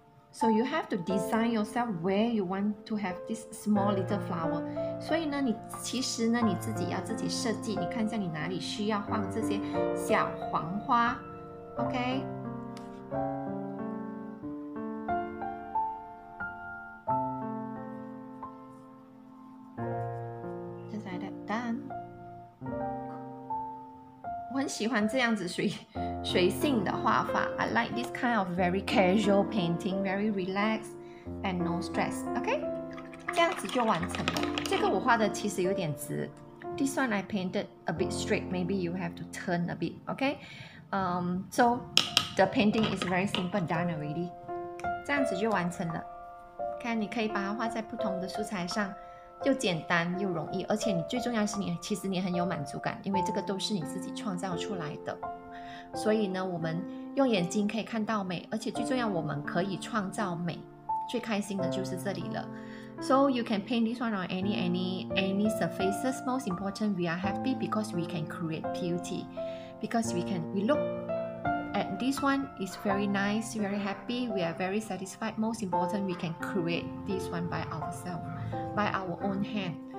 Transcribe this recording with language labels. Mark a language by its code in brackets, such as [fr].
[en] So you have to design yourself where you want to have this small little flower. [zh] 所以呢，你其实呢，你自己要自己设计。你看一下你哪里需要放这些小黄花 ，OK？就来的 done。我很喜欢这样子随性的画法 ， [en] I like this kind of very casual painting, very relaxed and no stress. [zh] Okay, 这样子就完成了。这个我画的其实有点直 ， [en] This one I painted a bit straight. Maybe you have to turn a bit. Okay, so the painting is very simple done already. [zh] 这样子就完成了。看，你可以把它画在不同的素材上，又简单又容易，而且你最重要是你其实你很有满足感，因为这个都是你自己创造出来的。所以呢，我们用眼睛可以看到美，而且最重要，我们可以创造美。最开心的就是这里了。 [en] So you can paint this one on any surfaces. Most important, we are happy because we can create beauty. because we look at this one, it's very nice, very happy, we are very satisfied. Most important, we can create this one by ourselves, by our own hand.